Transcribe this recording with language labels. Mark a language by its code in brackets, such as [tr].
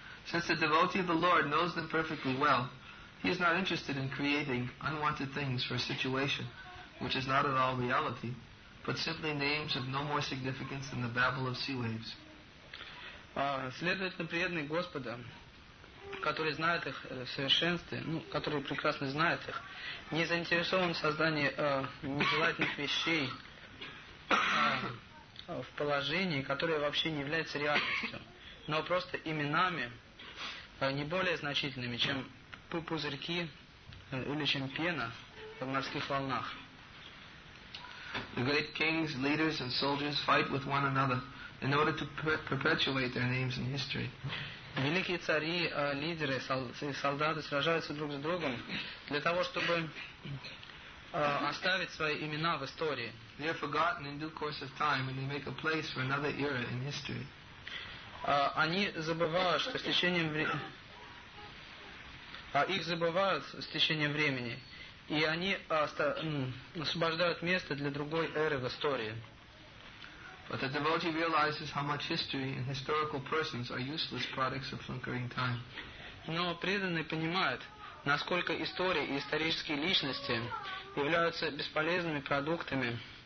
[en] Since the devotee of the Lord knows them perfectly well, he is not interested in creating unwanted things for a situation which is not at all reality, but simply names of no more significance than the babble of sea waves. [ru] Следовательно, преданный Господа, который знает их в совершенстве, который прекрасно знает их, не заинтересован в создании нежелательных вещей в положении, которое вообще не является реальностью, но просто именами, не более значительными, чем пузырьки или чем пена в морских волнах. [en] The great kings, leaders, and soldiers fight with one another in order to perpetuate their names in history. [ru] Великие цари, лидеры, солдаты сражаются друг с другом для того, чтобы оставить свои имена в истории. [en] They are forgotten in due course of time, and they make a place for another era in history. [ru] Они забывают, что с течением их забывают с течением времени. И они освобождают место для другой эры в истории. [en] But the devotee realizes how much history and historical persons are useless products of flickering time. [ru] Но преданный понимает, насколько история и исторические личности являются бесполезными продуктами